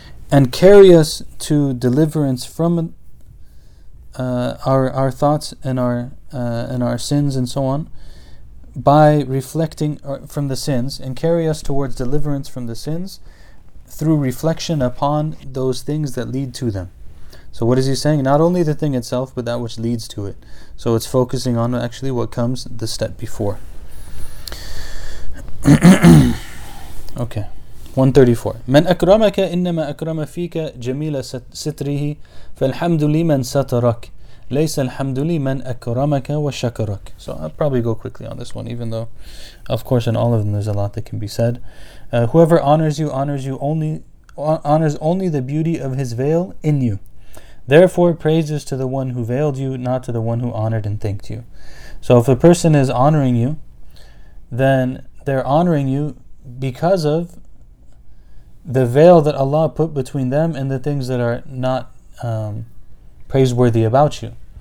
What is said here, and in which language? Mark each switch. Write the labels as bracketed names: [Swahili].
[English] And carry us to deliverance from our thoughts and our sins and so on, by reflecting from the sins, and carry us towards deliverance from the sins through reflection upon those things that lead to them. So what is he saying? Not only the thing itself, but that which leads to it. So it's focusing on actually what comes the step before. Okay. 134. [Arabic] من أكرمك إنما أكرم فيك جميل ستره فالحمد لمن سترك ليس الحمد لمن أكرمك وشكرك. [English] So I'll probably go quickly on this one, even though, of course, in all of them there's a lot that can be said. Whoever honors only the beauty of his veil in you. Therefore, praises to the one who veiled you, not to the one who honored and thanked you. So if a person is honoring you, then they're honoring you because of the veil that Allah put between them and the things that are not praiseworthy about you.